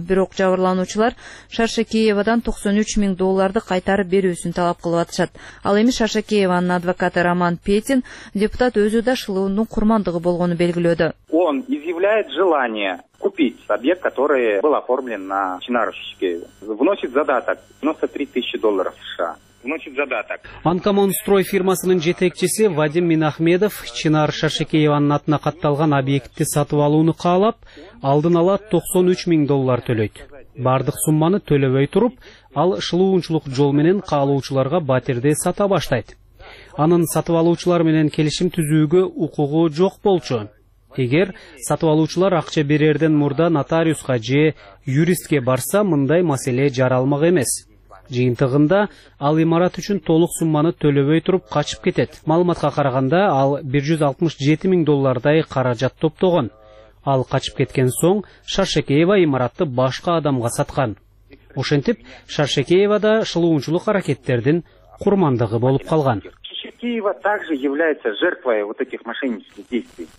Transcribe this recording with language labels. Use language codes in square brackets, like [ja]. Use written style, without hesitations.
[ky] Бирок жабырлануучулар Шаршекеевадан 93 000 долларды кайтарып берүүсүн талап кылып атышат. Ал эми Шаршекеевадын адвокаты Роман Петин депутат өзү да шылуундун курмандыгы болгону белгилөөдө. [ru] Он изъявляет желание купить объект, который был оформлен на Чинару Шишкееву. Вносит задаток 93 000 долларов США. [ky] Анкамон строй фирмасынын жетекчиси Вадим Минахмедов Чынар Шаршекееванын атына катталган объектти сатып алууну каалап, алдын ала 93 000 доллар төлөйт. Бардык сумманы төлөбөй туруп, ал шылуунчулук жол менен каалоочуларга батирди сата баштайт. Анын сатып алуучулар менен келишим түзүүгө укугу жок болчу. Эгер сатып алуучулар акча берерден мурда нотариуска же юристке барса, мындай маселе жаралмак эмес. Жыйынтыгында ал имарат үчүн толук сумманы төлөбөй туруп качып кетет. Маалыматка караганда ал 167 000 доллардай каражат топтогон. Ал качып кеткен соң Шаршекеева имаратты башка адамга саткан. Ошентип Шаршекеева да шылуунчулук аракеттердин курмандыгы болуп калган. [ru] Киева также является жертвой вот этих мошеннических действий.